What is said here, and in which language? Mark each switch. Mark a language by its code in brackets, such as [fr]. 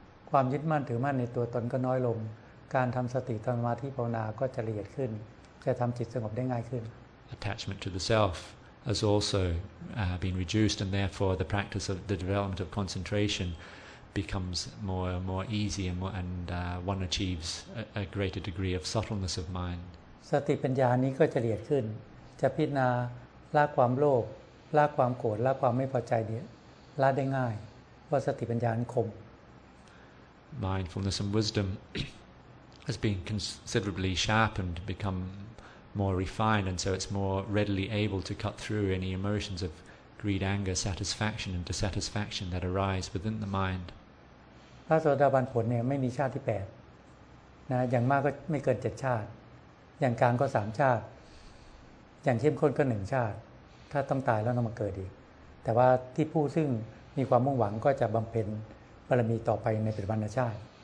[th] ความยึดมั่นถือมั่นในตัวตนก็น้อยลงการทำสติสมาธิภาวนาก็จะละเอียดขึ้นจะทำจิตสงบได้ง่ายขึ้น [en] Attachment to the selfhas also been reduced, and therefore the practice of the development of concentration becomes more easy, and one achieves a greater degree of subtleness of mind. [th] สติปัญญานี้ก็จะละเอียดขึ้นจะพิจารณาละความโลภละความโกรธละความไม่พอใจเนี่ยละได้ง่ายเพราะสติปัญญานั้นคม [en] Mindfulness and wisdom has been considerably sharpened, become more refined, and so it's more readily able to cut through any emotions of greed, anger, satisfaction, and dissatisfaction that arise within the mind. [th] พระโสดาบันผลเนี่ยไม่มีชาติที่8นะอย่างมากก็ไม่เกิน7ชาติอย่างกลางก็3ชาติอย่างเข้มข้นก็1ชาติถ้าต้องตายแล้วต้องมาเกิดอีกแต่ว่าที่ผู้ซึ่งมีความมุ่งหวังก็จะบำเพ็ญบารมีต่อไปในปัจจุบันชาติ